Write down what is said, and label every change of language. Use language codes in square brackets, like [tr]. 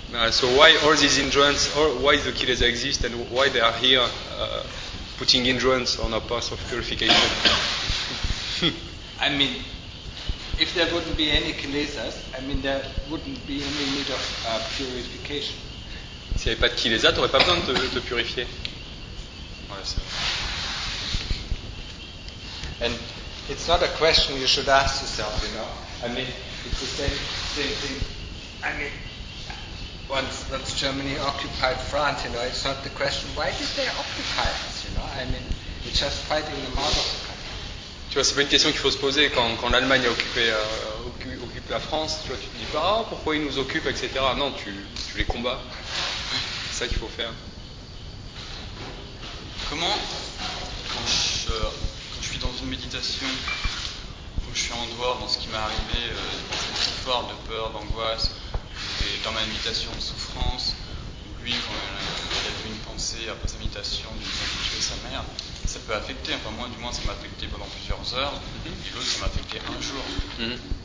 [en] So why all these hindrances, or why the kilesa exist and why they are here putting hindrances on our path of purification? I mean, if there wouldn't be any kilesas, I mean there wouldn't be any need of purification. [fr] S'il n'y avait pas de kilesa, tu n'aurais pas besoin de te purifier. Ouais, c'est vrai. [en] And it's not a question you should ask yourself, you know. I mean, it's the same thing. I mean, once Germany occupied France, you know, it's not the question why did they occupy us, you know. I mean, we're just fighting the mother of the country. [fr] Tu vois, c'est pas une question qu'il faut se poser quand l'Allemagne a occupé la France. Tu vois, tu te dis pas, oh, pourquoi ils nous occupent, etc. Non, tu les combats. C'est ça qu'il faut faire. Comment, quand je suis dans une méditation, quand je suis en dehors dans ce qui m'est arrivé, fort de peur, d'angoisse, et dans ma méditation de souffrance, ou lui, quand il a vu une pensée après sa méditation, d'une femme qui tuait sa mère, ça peut affecter, enfin moi du moins ça m'a affecté pendant plusieurs heures, et l'autre ça m'a affecté un jour. Mm-hmm.